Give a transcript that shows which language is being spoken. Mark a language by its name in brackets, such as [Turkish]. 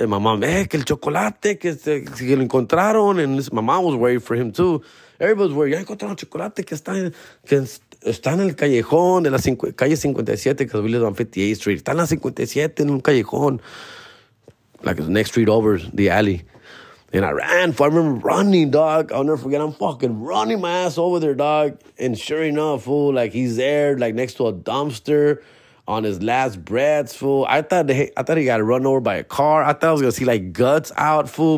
[English] And my mom, [Spanish] que el chocolate, que lo encontraron. [English] And my mom was worried for him, too. Everybody was worried. [Spanish] Ya encontraron chocolate que está en... Está en el callejón de la calle 57, [English] because we live on 58th Street. [Spanish] Está en la 57, en un callejón. [English] Like, the next street over, the alley. And I ran. I remember running, dog. I'll never forget. I'm fucking running my ass over there, dog. And sure enough, fool, like, he's there, like, next to a dumpster on his last breaths, fool. I thought he got run over by a car. I thought I was going to see, like, guts out, fool.